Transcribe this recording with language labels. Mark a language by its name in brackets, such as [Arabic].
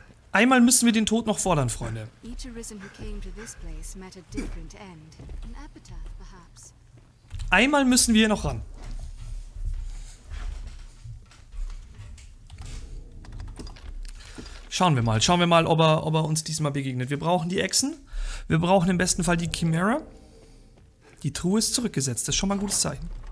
[German] Einmal müssen wir den Tod noch fordern, Freunde. [English] Each arisen who came to this place met a different end. An epitaph, perhaps. [German] Einmal müssen wir hier noch ran. Schauen wir mal. Schauen wir mal, ob er uns diesmal begegnet. Wir brauchen die Echsen. Wir brauchen im besten Fall die Chimera. Die Truhe ist zurückgesetzt. Das ist schon mal ein gutes Zeichen.